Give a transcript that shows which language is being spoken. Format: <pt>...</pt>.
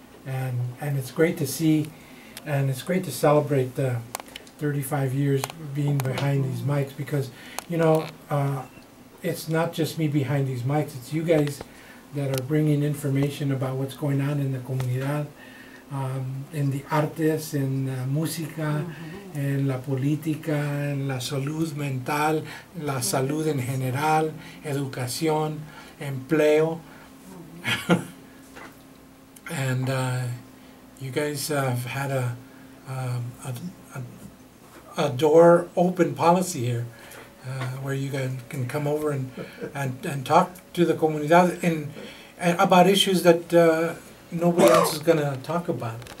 <en>And it's great to see, and it's great to celebrate the 35 years being behind these mics. Because, you know, it's not just me behind these mics. It's you guys that are bringing information about what's going on in the comunidad, in the artes, in the música. Mm-hmm.</en> <es>En la política, en la salud mental, la salud en general, educación, empleo.</es> <en>And you guys have had a door open policy here where you can come over and talk to the comunidad and about issues that nobody else is going to talk about.</en>